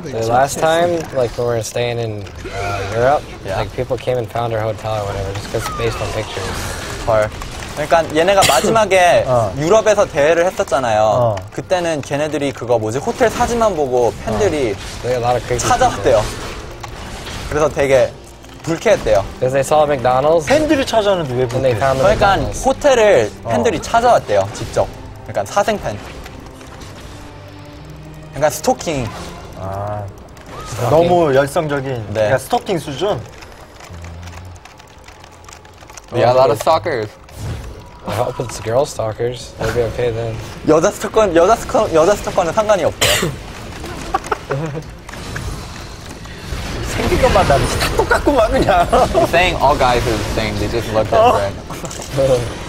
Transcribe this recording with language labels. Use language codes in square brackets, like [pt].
[en] The last time, like when we were staying in Europe, yeah. like people came and found our hotel or whatever, just because based on pictures. [ko] 헐. 그러니까 얘네가 마지막에 유럽에서 대회를 했었잖아요. 그때는 걔네들이 그거 뭐지 호텔 사진만 보고 팬들이 찾아왔대요. 그래서 되게 불쾌했대요. [en] Because they saw McDonald's. [ko] 팬들이 찾아왔는데 왜 불쾌? 그러니까 호텔을 팬들이 찾아왔대요 직접. 그러니까 사생팬. 그러니까 스토킹. 아, 스토킹? 너무 열성적인. 네. 그러니까 스토킹 수준. [en] Yeah, a lot of stalkers. I hope it's girl stalkers. They'll be okay then. [ko] 여자 스토커는 여자 스토커는 상관이 없어요. 생긴 것만 다르지 다 똑같구만 그냥. [en] Saying all guys are the same. They just look different.